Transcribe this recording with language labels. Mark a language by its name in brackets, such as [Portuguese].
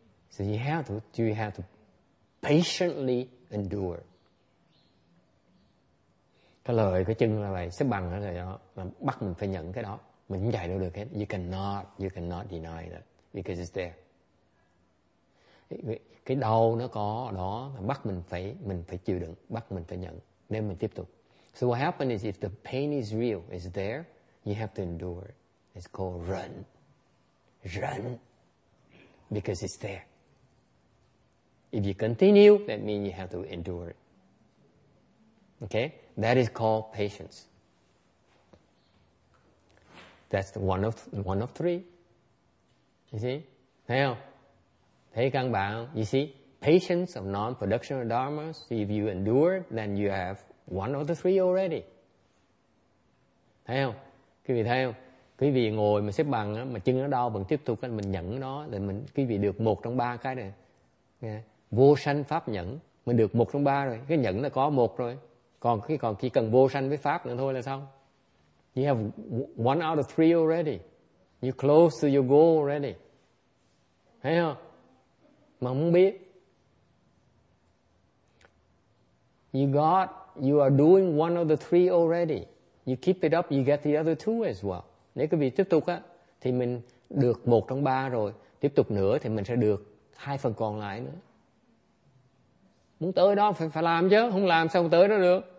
[English] So you have to patiently endure. [Vietnamese] Cái lời cái chân là vậy, xếp bằng là đó, là bắt mình phải nhẫn cái đó. Mình không chạy đâu được hết. [English] You cannot deny that because it's there. [Vietnamese] Cái đau nó có đó, bắt mình phải chịu đựng, bắt mình phải nhận, nên mình tiếp tục. [English] So what happens is if the pain is real, is there, you have to endure. It's called run because it's there. If you continue, that means you have to endure it. Okay, that is called patience. That's one of three. You see? [Vietnamese] Thấy không? Thấy căn bản. [English] You see? Patience of non-production of dharma. So if you endure, then you have one of the three already. [Vietnamese] Thấy không? Quý vị thấy không? Quý vị ngồi mà xếp bằng, mà chân nó đau, vẫn tiếp tục, mình nhẫn nó, thì mình quý vị được một trong ba cái này. Vô sanh pháp nhẫn. Mình được một trong ba rồi. Cái nhẫn là có một rồi. Còn chỉ cần vô sanh với pháp nữa thôi là xong. [English] You have one out of three already. You're close to your goal already. [Vietnamese] Thấy không? Mà không biết. [English] You are doing one of the three already. You keep it up, you get the other two as well. [Vietnamese] Nếu quý vị tiếp tục á, thì mình được một trong ba rồi. Tiếp tục nữa thì mình sẽ được hai phần còn lại nữa. Muốn tới đó phải làm chứ. Không làm sao không tới đó được.